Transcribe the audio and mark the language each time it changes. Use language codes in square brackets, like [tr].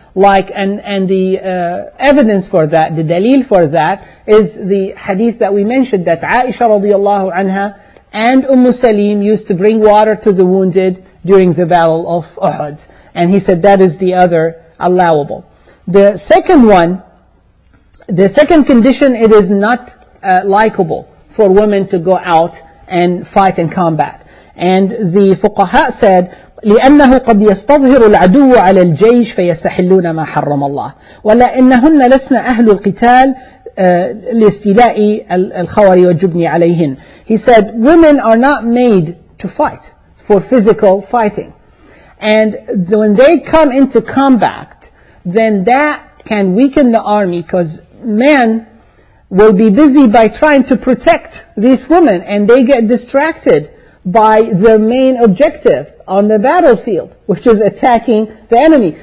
[en] Like, and the evidence for that, the dalil for that, is the hadith that we mentioned, that Aisha radiallahu anha and Ummu Salim used to bring water to the wounded during the Battle of Uhud. And he said that is the other allowable. The second one, the second condition, it is not likable for women to go out and fight in combat. And the fuqaha said, [ar] لِأَنَّهُ قَدْ يَسْتَظْهِرُ الْعَدُوَّ عَلَى الْجَيْشِ فَيَسْتَحِلُّونَ مَا حَرَّمَ اللَّهِ وَلَا إِنَّهُنَّ لَسْنَ أَهْلُ الْقِتَالِ لِاسْتِلَاءِ الْخَوَرِ وَجُبْنِ عَلَيْهِنْ. [en] He said, women are not made to fight for physical fighting. And when they come into combat, then that can weaken the army, because men will be busy by trying to protect these women, and they get distracted by their main objective on the battlefield, which is attacking the enemy.